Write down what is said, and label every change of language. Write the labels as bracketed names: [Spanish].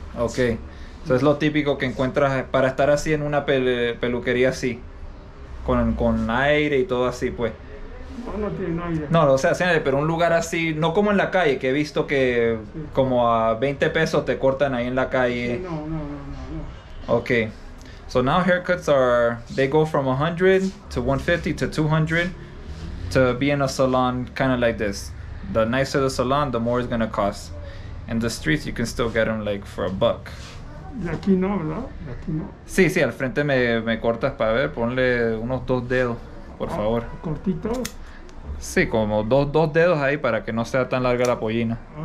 [Spanish] Okay, eso es lo típico que encuentras para estar así en una peluquería así, con aire y todo así, pues. No, no tiene aire. No, o sea, pero un lugar así, no como en la calle, que he visto que sí. Como a 20 pesos te cortan ahí en la calle. Sí, no. Okay. [English] So now haircuts they go from 100 to 150 to 200. to be in a salon kind of like this. The nicer the salon, the more it's gonna cost. In the streets, you can still get them like for a buck. [Spanish] Y aquí no, ¿verdad? Aquí no. Sí, sí, al frente me cortas para ver, ponle unos dos dedos, por favor. ¿Cortito? Sí, como dos dedos ahí para que no sea tan larga la pollina.